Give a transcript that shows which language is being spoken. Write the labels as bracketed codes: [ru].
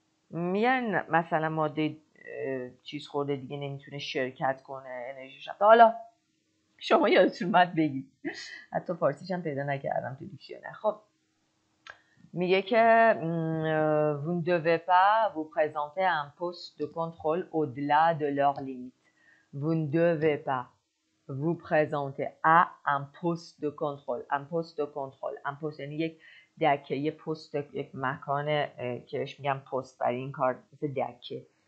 [fa] میگن مثلا ماده چیز خورده دیگه نمیتونه شرکت کنه انرژی شد. حالا شما یادتون اومد بگید، حتی فارسیش هم پیدا نکردم تو دیکشنری. خب میگه که [fr] vous ne devez pas vous présenter un poste de contrôle au-delà de leurs limites. Vous ne devez pas vous présenter à un poste de contrôle. Un poste de contrôle. [fa] Un poste یعنی یک دکه، یک پست، یک مکان که میگم پست برای این کار، مثل دکه.